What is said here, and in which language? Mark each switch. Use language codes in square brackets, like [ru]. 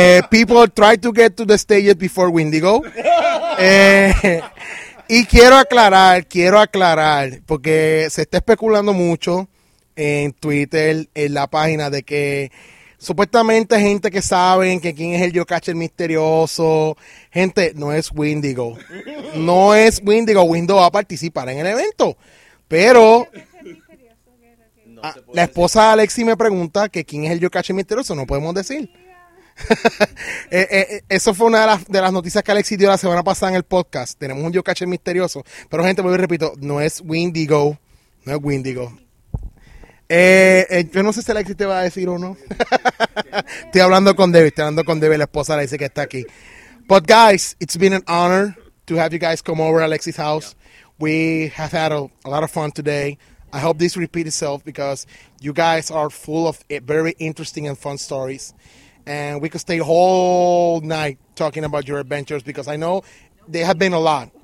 [en] People try to get to the stage before Windigo. [es] Y quiero aclarar, porque se está especulando mucho en Twitter, en la página de que supuestamente gente que saben que quién es el geocacher misterioso. Gente, no es Windigo. No es Windigo. Windigo va a participar en el evento. Pero la esposa de Alexi me pregunta que quién es el geocacher misterioso. No podemos decir. Eso fue una de las noticias que Alexi dio la semana pasada en el podcast. Tenemos un geocacher misterioso. Pero gente, vuelvo y repito, no es Windigo. Yo no sé si Alexis te va a decir o no. Estoy hablando con Debbie, la esposa le dice que está aquí. [en] But guys, it's been an honor to have you guys come over to Alexis' house. Yeah. We have had a lot of fun today. I hope this repeats itself because you guys are full of very interesting and fun stories. And we could stay whole night talking about your adventures because I know there have been a lot.